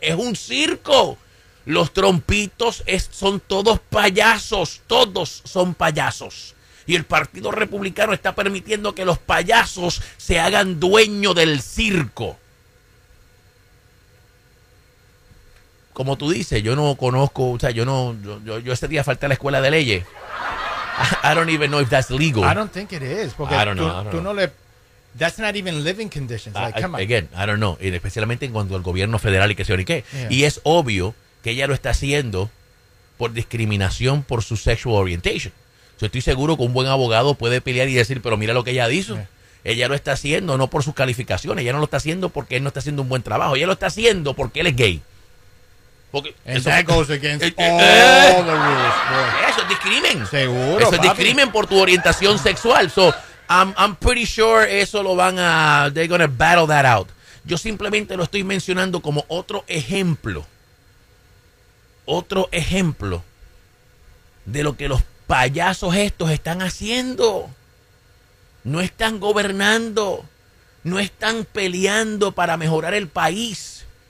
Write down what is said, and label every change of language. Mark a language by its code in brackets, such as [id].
[es] Es un circo. Los trompitos son todos payasos, todos son payasos. Y el Partido Republicano está permitiendo que los payasos se hagan dueño del circo. Como tú dices, yo no conozco, o sea, yo ese día falté a la escuela de leyes. [en] I don't even know if that's legal. I don't think it is, porque I don't know. That's not even living conditions. I don't know, [es] y especialmente en cuanto al gobierno federal y qué sé yo ni qué. Y es obvio que ella lo está haciendo por discriminación por su [en] sexual orientation. [es] Yo estoy seguro que un buen abogado puede pelear y decir, pero mira lo que ella hizo. Yeah. Ella lo está haciendo no por sus calificaciones, ella no lo está haciendo porque él no está haciendo un buen trabajo, ella lo está haciendo porque él es gay. Porque eso, [en] that goes against all the rules. [es] Eso es discrimen. Seguro, eso es discrimen por tu orientación sexual. [en] So, I'm pretty sure [es] eso lo van a, [en] they're gonna battle that out. [es] Yo simplemente lo estoy mencionando como otro ejemplo. Otro ejemplo de lo que los payasos estos están haciendo. No están gobernando, no están peleando para mejorar el país.